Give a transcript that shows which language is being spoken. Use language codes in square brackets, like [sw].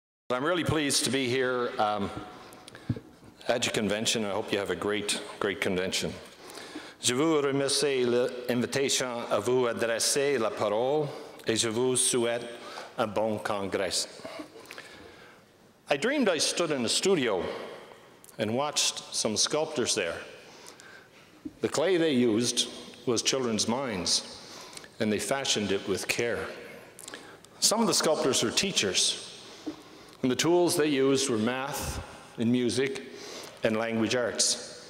[en] Well, I'm really pleased to be here at your convention. I hope you have a great, great convention. [fr] Je vous remercie l'invitation à vous adresser la parole et je vous souhaite un bon congrès. [en] I dreamed I stood in a studio and watched some sculptors there. The clay they used was children's minds, and they fashioned it with care. Some of the sculptors were teachers, and the tools they used were math and music and language arts.